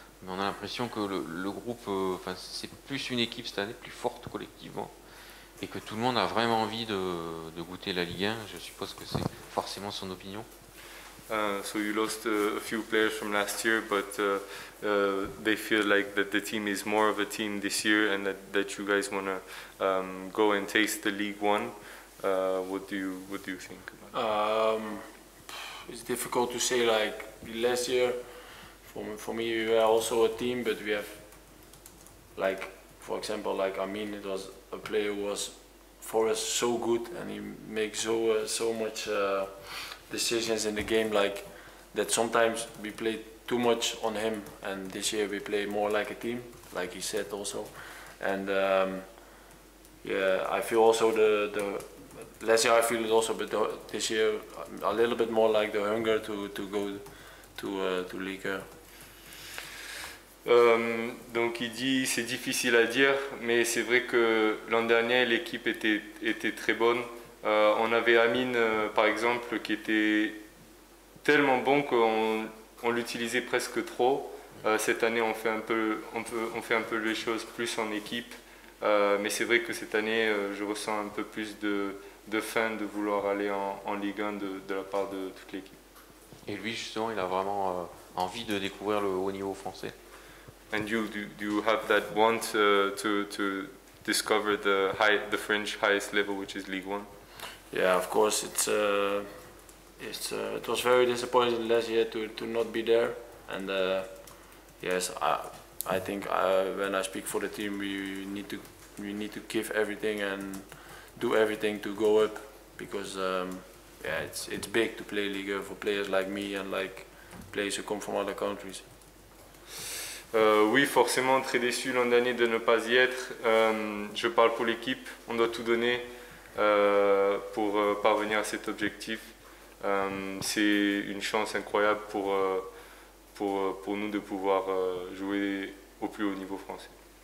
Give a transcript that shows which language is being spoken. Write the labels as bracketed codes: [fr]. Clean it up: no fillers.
[fr] Mais on a l'impression que le groupe, c'est plus une équipe cette année, plus forte collectivement. Et que tout le monde a vraiment envie de goûter la Ligue 1. Je suppose que c'est forcément son opinion. [en] So you lost a few players from last year, but they feel like that the team is more of a team this year, and that you guys want to go and taste the League One. What do you think about it? It's difficult to say. Like last year, for me, we were also a team, but we have, like, for example, like Amin, it was a player who was for us so good, and he makes so much decisions in the game, like that sometimes we play too much on him, and this year we play more like a team, like he said also. And I feel also the last year I feel it also, but this year a little bit more like the hunger to go to Liga. [fr] Donc il dit c'est difficile à dire, mais c'est vrai que l'an dernier l'équipe était très bonne. On avait Amine par exemple qui était tellement bon qu'on l'utilisait presque trop. Cette année on fait un peu les choses plus en équipe, mais c'est vrai que cette année je ressens un peu plus de faim de vouloir aller en Ligue 1 de la part de toute l'équipe. Et lui justement il a vraiment envie de découvrir le haut niveau français. [en] And do you have that want to discover the French highest level, which is League One? Yeah, of course. It was very disappointing last year to not be there. And I think when I speak for the team, we need to give everything and do everything to go up, because it's big to play League One for players like me and like players who come from other countries. [fr] Oui, forcément, très déçu l'an dernier de ne pas y être. Je parle pour l'équipe, on doit tout donner pour parvenir à cet objectif. C'est une chance incroyable pour nous de pouvoir jouer au plus haut niveau français.